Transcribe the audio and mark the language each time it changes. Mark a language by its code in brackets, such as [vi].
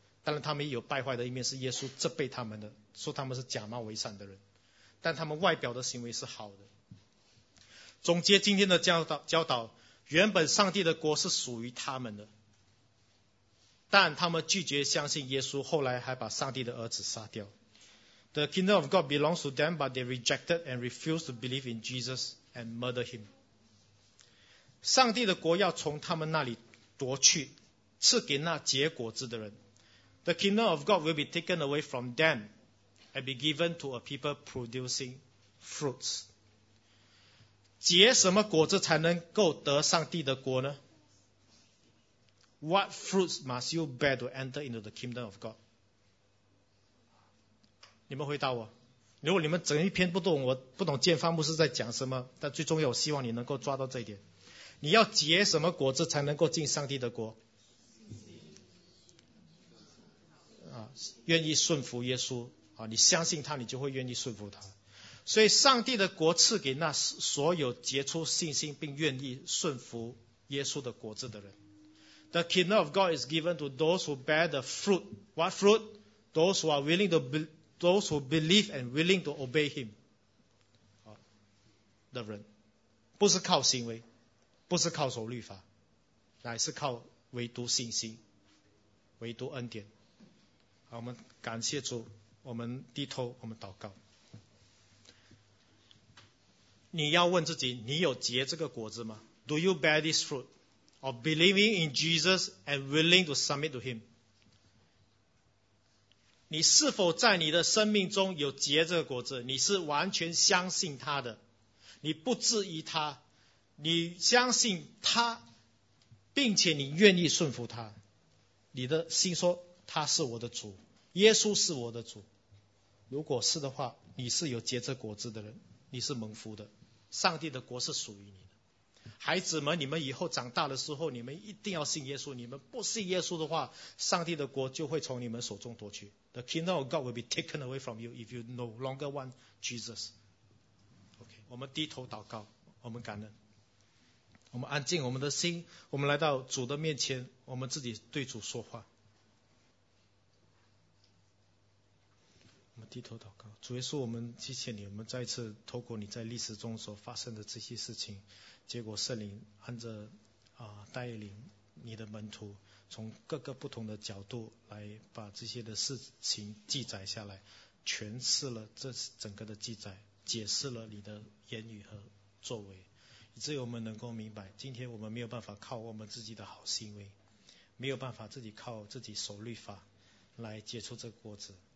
[zh] 当然他们也有败坏的一面，是耶稣责备他们的，说他们是假冒为善的人，但他们外表的行为是好的。总结今天的教导，原本上帝的国是属于他们的，但他们拒绝相信耶稣，后来还把上帝的儿子杀掉。 [en] The kingdom of God belongs to them, but they rejected and refused to believe in Jesus and murder him. [zh] 上帝的国要从他们那里夺去，赐给那结果子的人。 [en] The kingdom of God will be taken away from them and be given to a people producing fruits. [zh] 结什么果子才能够得上帝的国呢？ [en] What fruits must you bear to enter into the kingdom of God? [zh] 你们回答我，如果你们整一篇不懂，我不懂建方牧师在讲什么，但最重要我希望你能够抓到这一点，你要结什么果子才能够进上帝的国？愿意顺服耶稣，你相信他，你就会愿意顺服他。所以上帝的国赐给那所有结出信心并愿意顺服耶稣的果子的人。 [en] The kingdom of God is given to those who bear the fruit. What fruit? Those who are willing to those who believe and willing to obey him. [zh] 的人，不是靠行为，不是靠守律法，乃是靠唯独信心，唯独恩典。好，我们感谢主，我们低头，我们祷告。你要问自己，你有结这个果子吗？ [en] Do you bear this fruit of believing in Jesus and willing to submit to him? [zh] 你是否在你的生命中有结这个果子？你是完全相信他的，你不质疑他，你相信他，并且你愿意顺服他，你的心说他是我的主，耶稣是我的主。如果是的话，你是有结这果子的人，你是蒙福的，上帝的国是属于你的。孩子们，你们以后长大的时候，你们一定要信耶稣，你们不信耶稣的话，上帝的国就会从你们手中夺去。 [en] The kingdom of God will be taken away from you if you no longer want Jesus. [zh] OK, 我们低头祷告，我们感恩，我们安静我们的心，我们来到主的面前，我们自己对主说话。我们低头祷告，主耶稣，我们谢谢你，我们再次透过你在历史中所发生的这些事情，结果圣灵按着带领你的门徒，从各个不同的角度来把这些的事情记载下来，诠释了这整个的记载，解释了你的言语和作为，以至于我们能够明白，今天我们没有办法靠我们自己的好行为，没有办法自己靠自己守律法来结出这个果子。